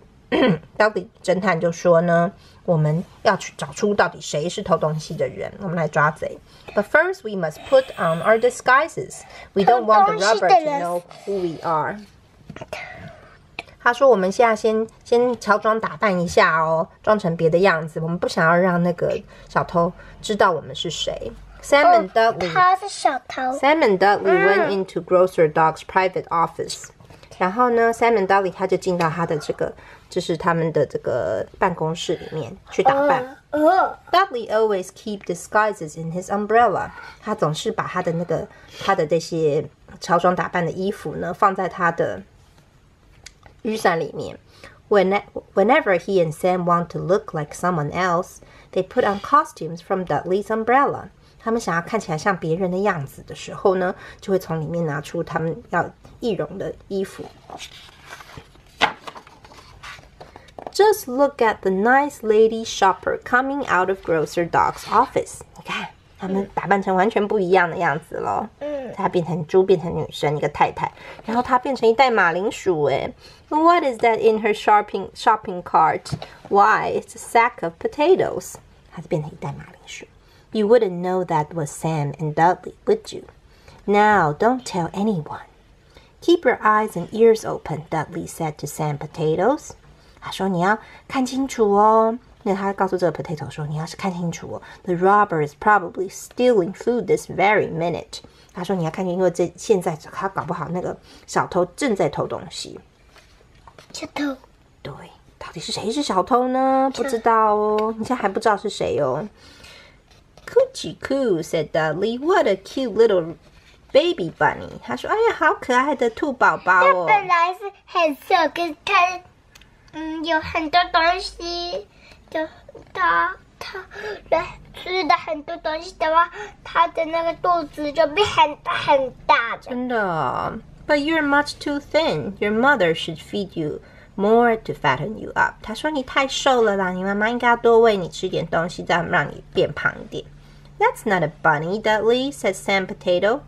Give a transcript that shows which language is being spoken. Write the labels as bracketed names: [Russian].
[Chinese] 那个Dudley 侦探就说呢，我们要去找出到底谁是偷东西的人，我们来抓贼。 [English] But first we must put on our disguises. We don't want the robber to know who we are. [Chinese] 他说我们现在先乔装打扮一下哦，装成别的样子，我们不想要让那个小偷知道我们是谁。 [English] Sam and Dudley, [Chinese] 他是小偷。 [English] Sam and Dudley went into Grocer Dog's private office. [Chinese] 然后呢 ，Sam and Dudley 他就进到他的这个，就是他们的这个办公室里面去打扮。 [English] Dudley always keep disguises in his umbrella. [Chinese] 他总是把他的那个他的这些乔装打扮的衣服呢放在他的雨伞里面。 [English] Whenever he and Sam want to look like someone else, they put on costumes from Dudley's umbrella. [Chinese] 他们想要看起来像别人的样子的时候呢，就会从里面拿出他们要易容的衣服。 [English] Just look at the nice lady shopper coming out of Grocer Dog's office. [Chinese] 你看，他们打扮成完全不一样的样子了。他变成猪，变成女生，一个太太。然后他变成一袋马铃薯。 [English] 哎 ，What is that in her shopping cart? Why, it's a sack of potatoes. [Chinese] 他就变成一袋马铃薯。 [English] You wouldn't know that was Sam and Dudley, would you? Now, don't tell anyone. Keep your eyes and ears open, Dudley said to Sam Potatoes. [Chinese] 他说你要看清楚哦。那他告诉这个 Potato 说你要是看清楚哦。 [English] The robber is probably stealing food this very minute. [Chinese] 他说你要看清楚，因为现在他搞不好那个小偷正在偷东西。小偷。对。到底是谁是小偷呢？不知道哦，你现在还不知道是谁哦。 [English] Coochie Coo said Dudley, "What a cute little baby bunny!" [Chinese] 他说：“哎呀，好可爱的兔宝宝哦。” 它本来是很小，可是它有很多东西，就它来吃的很多东西的话，它的那个肚子就变很大很大的。真的。 [English] But you're much too thin. Your mother should feed you more to fatten you up. [Chinese] 他说你太瘦了啦，你妈妈应该要多喂你吃点东西，再让你变胖一点。 [English] That's not a bunny, Dudley, said Sam Potato.